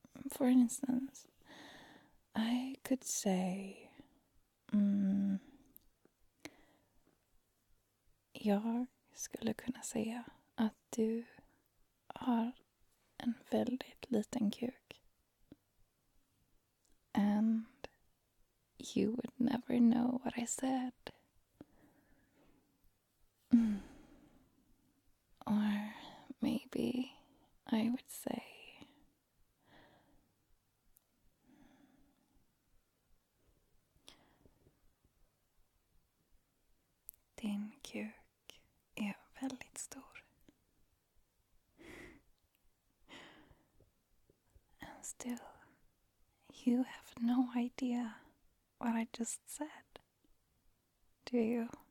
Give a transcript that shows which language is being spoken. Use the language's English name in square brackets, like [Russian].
[English] For instance, I could say, [Swedish] jag skulle kunna säga att du har en väldigt liten kuk. [English] And you would never know what I said. Or maybe I would say, [Swedish] din kuk är väldigt stor. [English] And still, you have no idea what I just said, do you?